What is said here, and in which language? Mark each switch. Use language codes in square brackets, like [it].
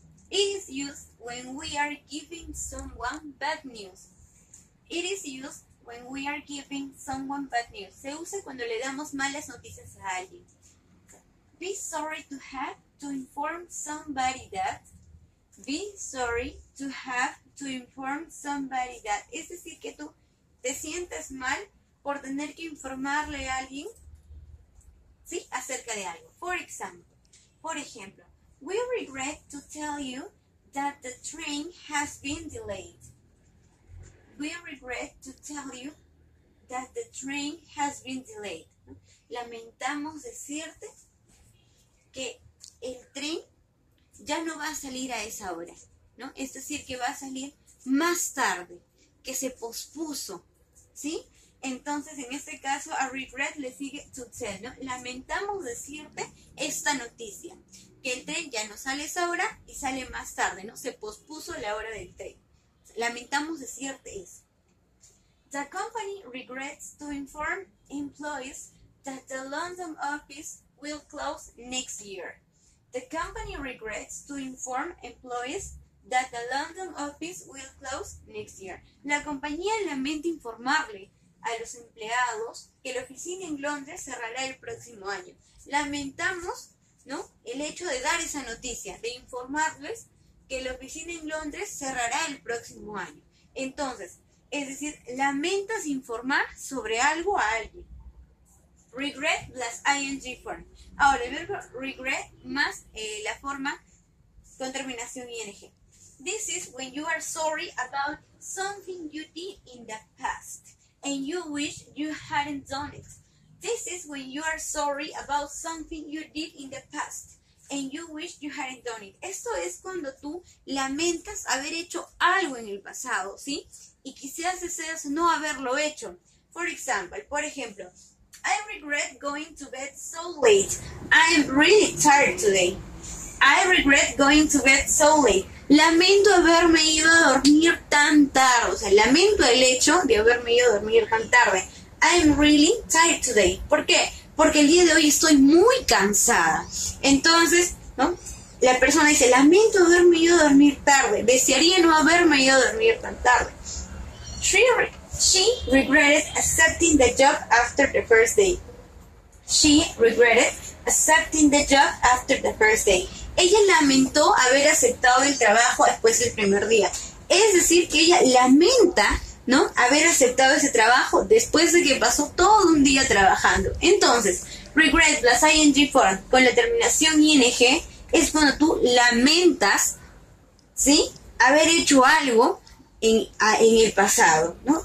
[en] It is used when we are giving someone bad news. It is used when we are giving someone bad news. [es] Se usa cuando le damos malas noticias a alguien. [en] Be sorry to have to inform somebody that. Be sorry to have to inform somebody that. [es] Es decir, que tú te sientes mal por tener que informarle a alguien, ¿sí?, acerca de algo. [en] For example, [es] por ejemplo, [en] we regret to tell you that the train has been delayed. We regret to tell you that the train has been delayed. [es] Lamentamos decirte que el tren ya no va a salir a esa hora, ¿no? Es decir, que va a salir más tarde, que se pospuso, ¿sí? Entonces, en este caso, a regret le sigue [en] to tell, [es] ¿no? Lamentamos decirte esta noticia, que el tren ya no sale a esa hora y sale más tarde, ¿no? Se pospuso la hora del tren. Lamentamos decirte eso. [en] The company regrets to inform employees that the London office will close next year. The company regrets to inform employees that the London office will close next year. [es] La compañía lamenta informarle a los empleados que la oficina en Londres cerrará el próximo año. Lamentamos, ¿no?, el hecho de dar esa noticia, de informarles que la oficina en Londres cerrará el próximo año. Entonces, es decir, lamentas informar sobre algo a alguien. [en] Regret plus ing form. [es] Ahora, el verbo regret más la forma con terminación ing. [en] This is when you are sorry about something you did in the past and you wish you hadn't done it. This is when you are sorry about something you did in the past and you wish you hadn't done it. [es] Esto es cuando tú lamentas haber hecho algo en el pasado, ¿sí? Y quizás deseas no haberlo hecho. [en] For example, [es] por ejemplo, [en] I regret going to bed so late. I am really tired today. I regret going to bed so late. [es] Lamento haberme ido a dormir tan tarde. O sea, lamento el hecho de haberme ido a dormir tan tarde. [en] I am really tired today. [es] ¿Por qué? Porque el día de hoy estoy muy cansada. Entonces, ¿no?, la persona dice, lamento haberme ido a dormir tarde. Desearía no haberme ido a dormir tan tarde. [en] She regretted accepting the job after the first day. She regretted accepting the job after the first day. [es] Ella lamentó haber aceptado el trabajo después del primer día. Es decir, que ella lamenta, ¿no?, haber aceptado ese trabajo después de que pasó todo un día trabajando. Entonces, [en] regret plus ing form [es] con la terminación ing es cuando tú lamentas, ¿sí?, haber hecho algo en el pasado, ¿no?